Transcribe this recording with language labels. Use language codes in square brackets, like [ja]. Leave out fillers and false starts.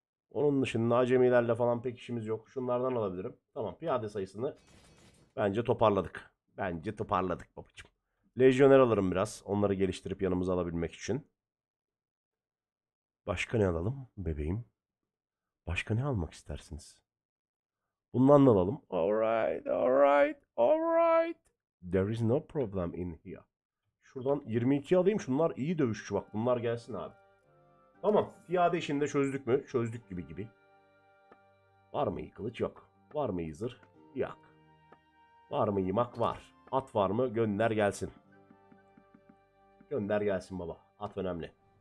[tr] Onun dışında acemilerle falan pek işimiz yok. Şunlardan alabilirim. Tamam, piyade sayısını bence toparladık. Bence toparladık babacığım. Lejyoner alırım biraz. Onları geliştirip yanımıza alabilmek için. Başka ne alalım bebeğim? Başka ne almak istersiniz? Bundan da alalım. [en] Alright, alright, alright. There is no problem in here. [tr] Şuradan 22 alayım. Şunlar iyi dövüşçü bak. Bunlar gelsin abi. Tamam. Piyade işini de çözdük mü? Çözdük gibi gibi. Var mı kılıç? Yok. Var mı zırh? Yok. Var mı yımak? Var. At var mı? Gönder gelsin. Gönder gelsin baba. At önemli.